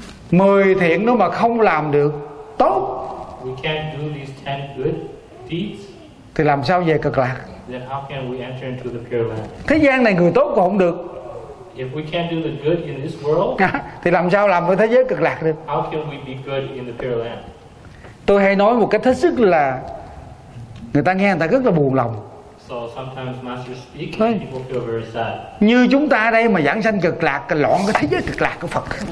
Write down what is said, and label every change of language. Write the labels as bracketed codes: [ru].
[vi] Mười thiện nó mà không làm được tốt [en] we can't do these ten good deeds, [vi] thì làm sao về cực lạc? [en] Then how can we enter into the pure land? [vi] Thế gian này người tốt còn không được. [en] If we can't do the good in this world, [vi] thì làm sao làm với thế giới cực lạc được? [en] How can we be good in the pure land? [vi] Tôi hay nói một cách hết sức là người ta nghe người ta rất là buồn lòng. [en] So sometimes master speak, people feel very sad. [vi] Như chúng ta đây mà giảng sanh cực lạc, cái loạn cái thế giới cực lạc của Phật.